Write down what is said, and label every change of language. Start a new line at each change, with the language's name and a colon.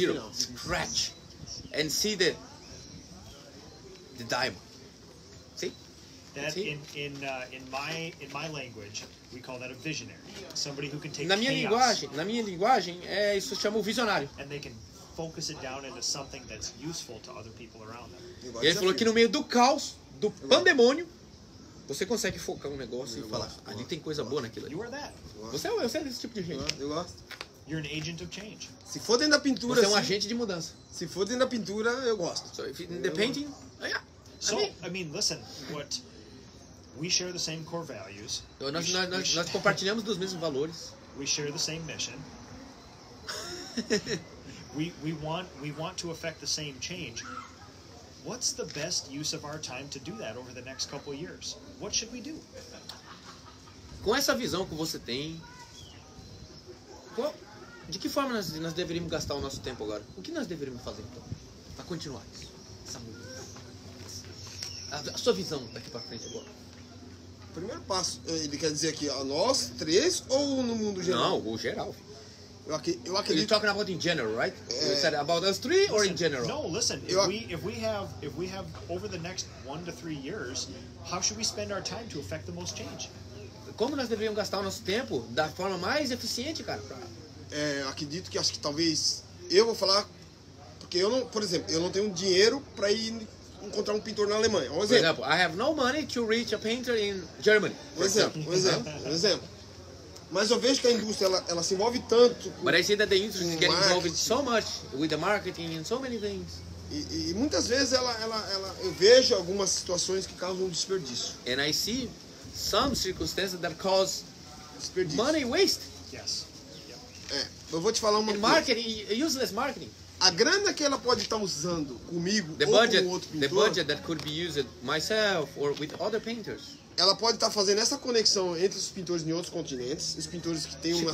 English: I love getting something from zero, scratch, and see the diamond. In my language, we call that a visionary. Somebody who can take chaos.
Portuguese: Na minha linguagem, isso se chama o visionário.
English: And they can focus it down into something that's useful to other people around them.
Portuguese: E ele falou que no meio do caos, do pandemônio, você consegue focar um negócio e falar, ali tem coisa boa naquilo ali.
English: You are that.
Portuguese: Você é desse tipo de gente. Eu gosto.
English: You're an agent of change.
Portuguese: Se for dentro da pintura, você é um agente de mudança. Se for dentro da pintura, eu gosto.
English: So, independent, yeah. So, I mean, listen, what we share the same core values.
Portuguese: Nós compartilhamos dos mesmos valores.
English: We share the same mission. we want to affect the same change. What's the best use of our time to do that over the next couple of years? What should we do?
Portuguese: Com essa visão que você tem, de que forma nós deveríamos gastar o nosso tempo agora? O que nós deveríamos fazer então para continuar isso? A sua visão daqui para frente agora. Primeiro passo, ele quer dizer aqui, ó, nós três ou no mundo geral? Não, o geral. Eu acredito.
English: You're talking about in general, right? You said about us three or in general? No, listen. If we have over the next 1 to 3 years, how should we spend our time to affect the most change?
Portuguese: Como nós deveríamos gastar o nosso tempo da forma mais eficiente, cara? Acredito que acho que talvez eu vou falar porque eu não, por exemplo, eu não tenho dinheiro para ir encontrar um pintor na Alemanha. Um exemplo.
English: For example, I have no money to reach a painter in Germany.
Portuguese: Um exemplo. Mas eu vejo que a indústria ela se envolve tanto.
English: But I see that the industry is getting involved so much with the marketing and so many things.
Portuguese: E muitas vezes ela eu vejo algumas situações que causam desperdício.
English: And I see some circumstances that cause
Portuguese: desperdício.
English: Money waste. Yes.
Portuguese: Yep. Eu vou te falar uma coisa.
English: Marketing, useless marketing.
Portuguese: A grana que ela pode estar usando comigo ou com outro pintor.
English: The budget that could be used myself or with other painters.
Portuguese: Ela pode estar fazendo essa conexão entre os pintores em outros continentes, os pintores que têm uma